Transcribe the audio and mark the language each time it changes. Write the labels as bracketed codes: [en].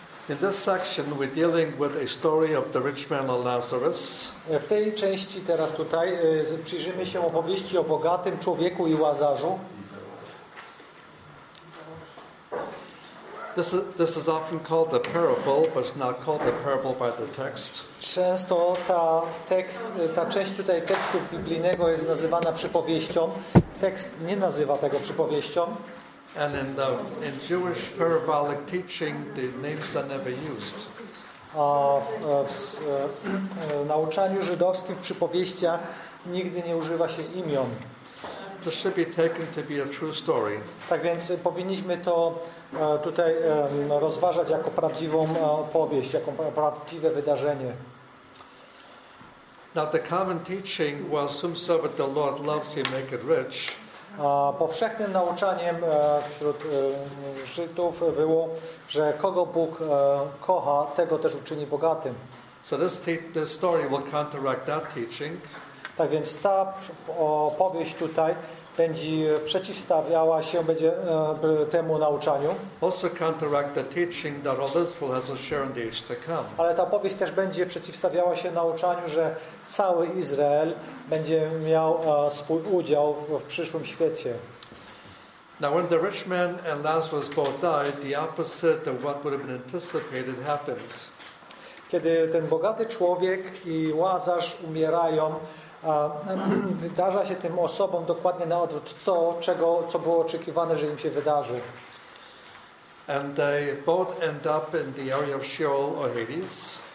[en] In this section we're dealing with a story of the rich man and Lazarus. [pl] W tej części teraz tutaj przyjrzymy się opowieści o bogatym człowieku i Łazarzu. [en] This is often called the parable, but it's not called the parable by the text. [pl] Często ta część tutaj tekstu biblijnego jest nazywana przypowieścią. Tekst nie nazywa tego przypowieścią. [en] And in Jewish parabolic teaching, the names are never used. [pl] A w nauczaniu żydowskim w przypowieściach nigdy nie używa się imion. [en] This should be taken to be a true story. [pl] Tak więc powinniśmy to tutaj rozważać jako prawdziwą opowieść, jako prawdziwe wydarzenie. [en] Now the common teaching was whomsoever the Lord loves, he make it rich. [pl] A powszechnym nauczaniem wśród Żydów było, że kogo Bóg kocha, tego też uczyni bogatym. [en] So this story will counteract that teaching. [pl] Tak więc ta opowieść tutaj będzie przeciwstawiała się będzie temu nauczaniu. [en] Also counteract the teaching that all Israel has a share in the age to come. [pl] Ale ta opowieść też będzie przeciwstawiała się nauczaniu, że cały Izrael będzie miał swój udział w przyszłym świecie. [en] Now when the rich man and Lazarus both died, the opposite of what would have been anticipated happened. [pl] Kiedy ten bogaty człowiek i Łazarz umierają, wydarza się tym osobom dokładnie na odwrót to, co było oczekiwane, że im się wydarzy. [en] And they both end up in the area of Sheol or Hades.